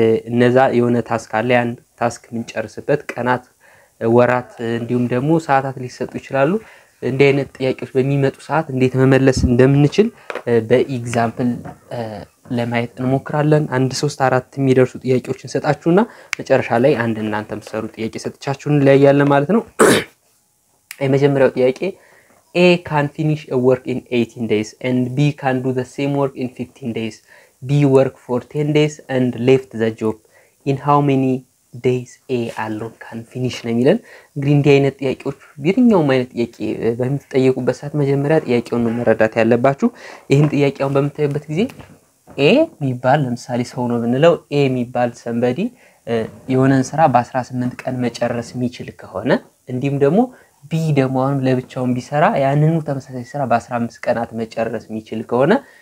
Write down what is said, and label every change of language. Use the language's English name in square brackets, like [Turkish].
[Amharic] እነዛ የሆነ ታስክ አለ፣ ያን ታስክ ምንጨርስበት ቀናት፣ ወራት እንዲሁም ደግሞ ሰዓታት ሊሰጡ ይችላሉ። እንዲህ አይነት ጥያቄዎች በሚመጡ ሰዓት እንዴት መመለስ እንደምንችል በኤግዛምፕል ለማየት እንሞክራለን። አንድ ሶስት አራት የሚደርሱ ጥያቄዎች እንሰጣችሁና መጨረሻ ላይ አንድ እናንተ ምሰሩ ጥያቄ ሰጥቻችሁ እንለያያለን ማለት ነው። የመጀመሪያው ጥያቄ [English] A can finish a work in 18 days and B can do the same work in 15 days. B work for 10 days and left the job. In how many days A alone can finish? [Amharic] ነው የሚለን እንግዲህ እንዲህ አይነት ጥያቄዎች የትኛውም አይነት ጥያቄ በምትጠየቁበት ሰዓት መጀመሪያ ጥያቄውን ነው መረዳት ያለባችሁ። ይህን ጥያቄውን በምታዩበት ጊዜ A የሚባል ለምሳሌ ሰው ነው ብንለው A የሚባል ሰንበዲ የሆነን ስራ በ18 ቀን መጨረስ የሚችል ከሆነ እንዲሁም ደግሞ ቢ ደግሞ አሁንም ለብቻውን ቢሰራ ያንኑ ተመሳሳይ ስራ በ15 ቀናት መጨረስ የሚችል ከሆነ